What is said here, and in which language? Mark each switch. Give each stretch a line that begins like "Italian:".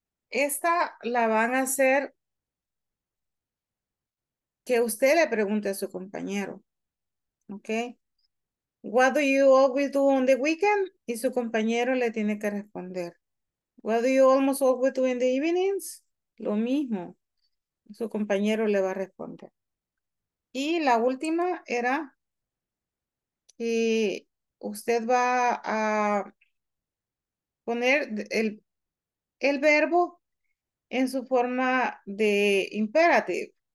Spanish: Esta la van a hacer que usted le pregunte a su compañero, okay?
English: What do you always do on the weekend?
Spanish: Y su compañero le tiene que responder.
English: What do you almost always do in the evenings?
Spanish: Lo mismo, su compañero le va a responder. Y la última era que usted va a poner el verbo en su forma de imperative.